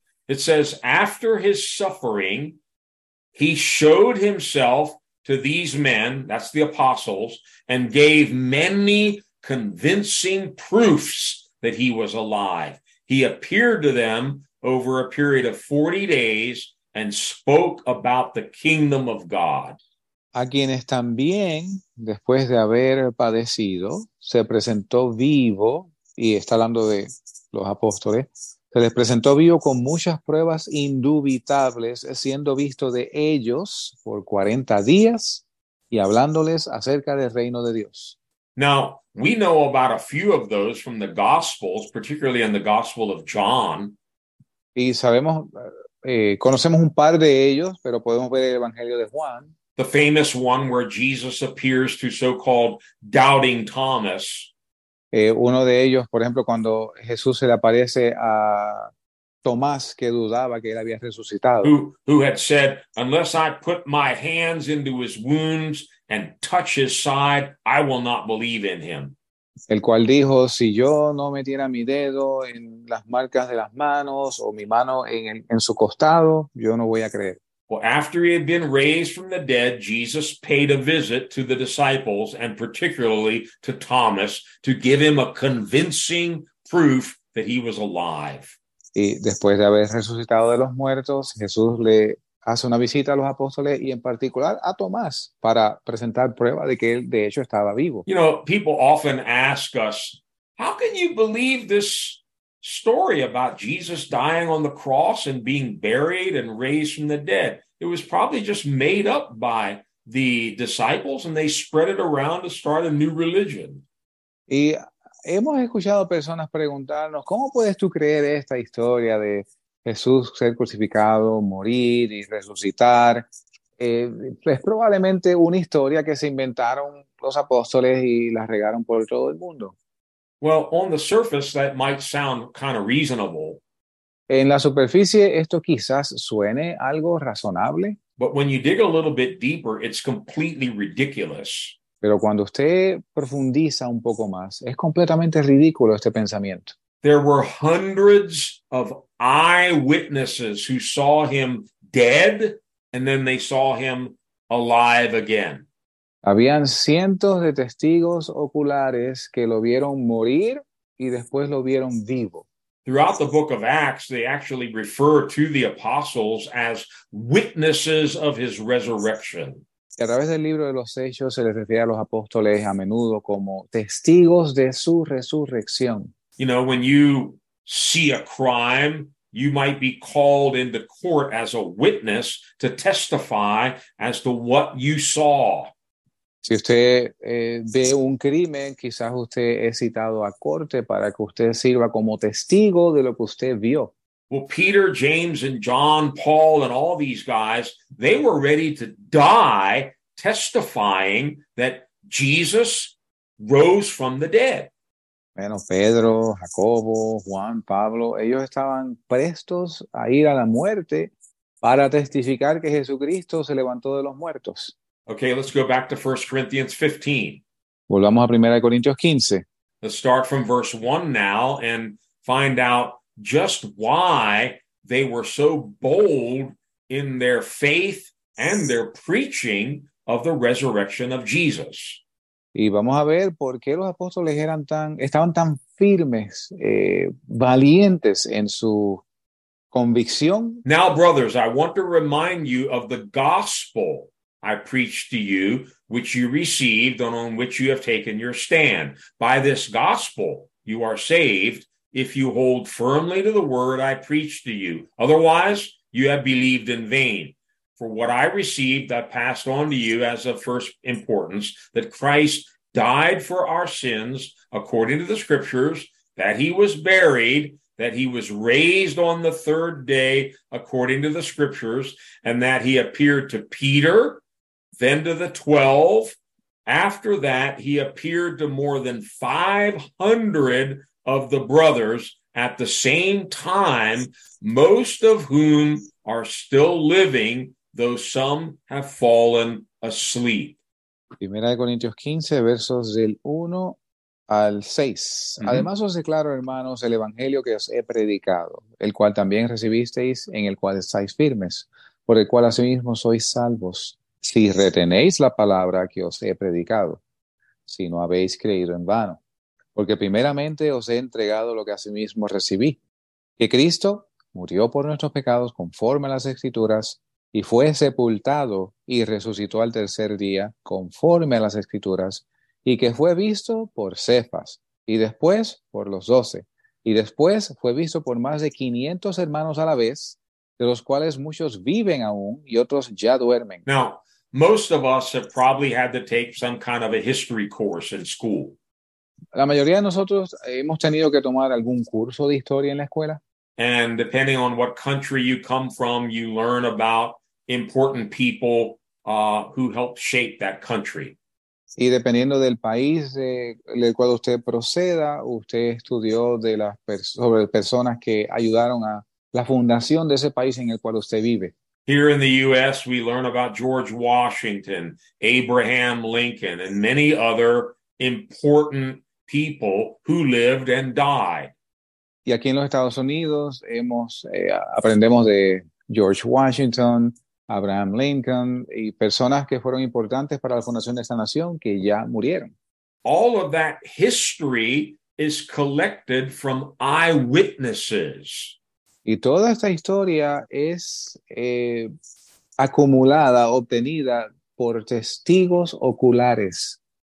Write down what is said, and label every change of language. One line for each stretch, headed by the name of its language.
English: It says, after his suffering, he showed himself to these men, that's the apostles, and gave many convincing proofs that he was alive. He appeared to them over a period of 40 days and spoke about the kingdom of God.
Spanish: A quienes también, después de haber padecido, se presentó vivo, y está hablando de los apóstoles, se les presentó vivo con muchas pruebas indubitables, siendo visto de ellos por 40 días y hablándoles acerca del reino de Dios.
English: Now, we know about a few of those from the Gospels, particularly in the Gospel of John.
Spanish: Y sabemos, conocemos un par de ellos, pero podemos ver el Evangelio de Juan.
English: The famous one where Jesus appears to so-called doubting Thomas.
Spanish: Uno de ellos, por ejemplo, cuando Jesús se le aparece a Tomás, que dudaba que él había resucitado.
English: Who had said, unless I put my hands into his wounds and touch his side, I will not believe in him.
Spanish: El cual dijo, si yo no metiera mi dedo en las marcas de las manos o mi mano en su costado, yo no voy a creer.
English: Well, after he had been raised from the dead, Jesus paid a visit to the disciples and particularly to Thomas to give him a convincing proof that he was alive.
Spanish: Y después de haber resucitado de los muertos, Jesús le hace una visita a los apóstoles y en particular a Tomás para presentar prueba de que él de hecho estaba vivo.
English: You know, people often ask us, how can you believe this story about Jesus dying on the cross and being buried and raised from the dead? It was probably just made up by the disciples and they spread it around to start a new religion.
Spanish: Y hemos escuchado personas preguntarnos, ¿cómo puedes tú creer esta historia de Jesús ser crucificado, morir y resucitar? Es probablemente una historia que se inventaron los apóstoles y la regaron por todo el mundo.
English: Well, on the surface, that might sound kind of reasonable.
Spanish: En la superficie, esto quizás suene algo razonable.
English: But when you dig a little bit deeper, it's completely ridiculous.
Spanish: Pero cuando usted profundiza un poco más, es completamente ridículo este pensamiento.
English: There were hundreds of eyewitnesses who saw him dead, and then they saw him alive again.
Spanish: Habían cientos de testigos oculares que lo vieron morir y después lo vieron vivo.
English: Throughout the book of Acts, they actually refer to the apostles as witnesses of his resurrection.
Spanish: Y a través del libro de los Hechos se les refiere a los apóstoles a menudo como testigos de su resurrección.
English: You know, when you see a crime, you might be called into court as a witness to testify as to what you saw.
Spanish: Si usted ve un crimen, quizás usted es citado a corte para que usted sirva como testigo de lo que usted vio.
English: Well, Peter, James, and John, Paul, and all these guys, they were ready to die testifying that Jesus rose from the dead.
Spanish: Bueno, Pedro, Jacobo, Juan, Pablo, ellos estaban prestos a ir a la muerte para testificar que Jesucristo se levantó de los muertos.
English: Okay, let's go back to 1 Corinthians 15.
Spanish: Volvamos a 1 Corintios 15.
English: Let's start from verse 1 now and find out just why they were so bold in their faith and their preaching of the resurrection of Jesus.
Spanish: Y vamos a ver por qué los apóstoles eran tan, estaban tan firmes, valientes en su convicción.
English: Now, brothers, I want to remind you of the gospel I preached to you, which you received and on which you have taken your stand. By this gospel, you are saved if you hold firmly to the word I preached to you. Otherwise, you have believed in vain. For what I received, I passed on to you as of first importance, that Christ died for our sins according to the scriptures, that he was buried, that he was raised on the third day according to the scriptures, and that he appeared to Peter, then to the 12. After that, he appeared to more than 500 of the brothers at the same time, most of whom are still living, though some have fallen asleep.
Spanish: Primera de Corintios 15, versos del 1 al 6. Mm-hmm. Además os declaro, hermanos, el evangelio que os he predicado, el cual también recibisteis, en el cual estáis firmes, por el cual asimismo sois salvos, si retenéis la palabra que os he predicado, si no habéis creído en vano. Porque primeramente os he entregado lo que asimismo recibí, que Cristo murió por nuestros pecados conforme a las Escrituras, y fue sepultado y resucitó al tercer día conforme a las Escrituras, y que fue visto por Cefas, y después por los 12, y después fue visto por más de 500 hermanos a la vez, de los cuales muchos viven aún y otros ya duermen.
English: Now, most of us have probably had to take some kind of a history course in school.
Spanish: La mayoría de nosotros hemos tenido que tomar algún curso de historia en la escuela.
English: And depending on what country you come from, you learn about important people who helped shape that country.
Spanish: Y dependiendo del país del cual usted proceda, usted estudió de las sobre personas que ayudaron a la fundación de ese país en el cual usted vive.
English: Here in the U.S., we learn about George Washington, Abraham Lincoln, and many other important people who lived and died.
Spanish: Y aquí en los Estados Unidos aprendemos de George Washington, Abraham Lincoln y personas que fueron importantes para la fundación de esta nación que ya murieron.
English: All of that history is collected from eyewitnesses.
Spanish: Y toda esta historia es acumulada, obtenida por testigos oculares.